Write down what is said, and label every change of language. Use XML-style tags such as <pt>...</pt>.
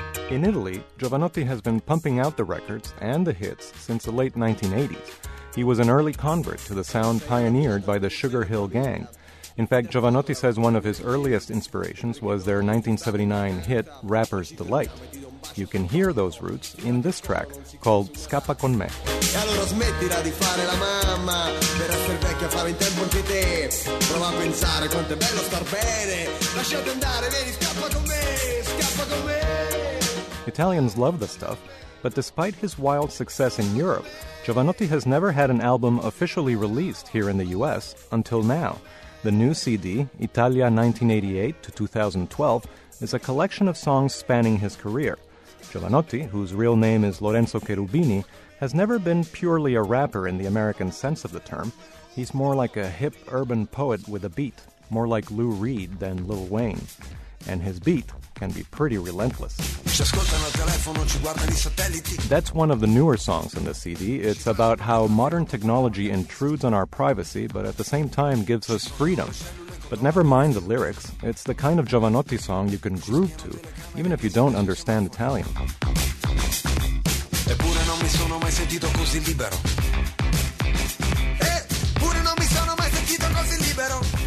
<en>In Italy, Jovanotti has been pumping out the records and the hits since the late 1980s. He was an early convert to the sound pioneered by the Sugar Hill Gang. In fact, Jovanotti says one of his earliest inspirations was their 1979 hit, Rapper's Delight. You can hear those roots in this track called Scappa con me.</en> <it>E allora smettila di fare la mamma per essere vecchia fare in tempo anche te. Prova a pensare quanto è bello star bene. Lasciate andare, vieni, scappa con me, scappa con me.</it> <en>Italians love the stuff, but despite his wild success in Europe, Jovanotti has never had an album officially released here in the US until now. The new CD, Italia 1988 to 2012, is a collection of songs spanning his career. Jovanotti, whose real name is Lorenzo Cherubini, has never been purely a rapper in the American sense of the term. He's more like a hip urban poet with a beat, more like Lou Reed than Lil Wayne. And his beat can be pretty relentless. That's one of the newer songs in the CD. It's about how modern technology intrudes on our privacy, but at the same time gives us freedom. But never mind the lyrics, it's the kind of Jovanotti song you can groove to, even if you don't understand Italian.</en> <it>mi sono mai sentito così libero. Eppure non mi sono mai sentito così libero.</it>